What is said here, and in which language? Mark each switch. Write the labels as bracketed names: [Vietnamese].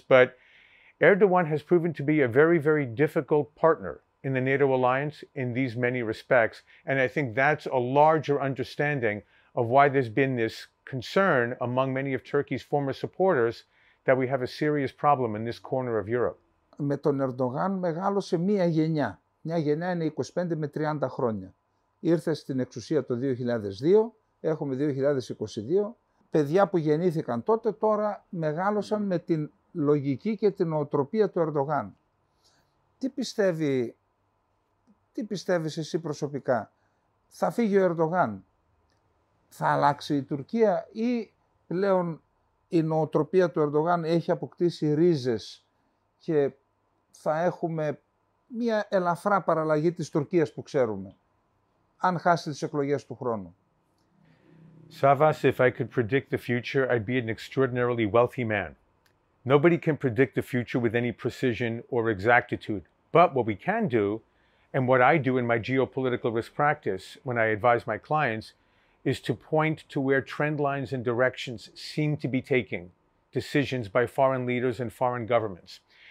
[English] But Erdogan has proven to be a very, very difficult partner in the NATO alliance in these many respects. And I think that's a larger understanding of why there's been this concern among many of Turkey's former supporters that we have a serious problem in this corner of Europe. [Greek] Με τον Ερντογάν μεγάλωσε μία γενιά. Μία γενιά είναι 25 με 30 χρόνια. Ήρθε στην εξουσία το 2002, έχουμε 2022. Παιδιά που γεννήθηκαν τότε, τώρα μεγάλωσαν με την λογική και την νοοτροπία του Ερντογάν. Τι πιστεύεις εσύ προσωπικά, θα φύγει ο Ερντογάν, θα αλλάξει η Τουρκία ή πλέον η νοοτροπία του Ερντογάν έχει αποκτήσει ρίζες και θα έχουμε μια ελαφρά παραλλαγή της Τουρκίας που ξέρουμε, αν χάσει τις εκλογές του χρόνου. [English] Savas, if I could predict the future, I'd be an extraordinarily wealthy man. Nobody can predict the future with any precision or exactitude. But what we can do, and what I do in my geopolitical risk practice when I advise my clients, is to point to where trend lines and directions seem to be taking decisions by foreign leaders and foreign governments.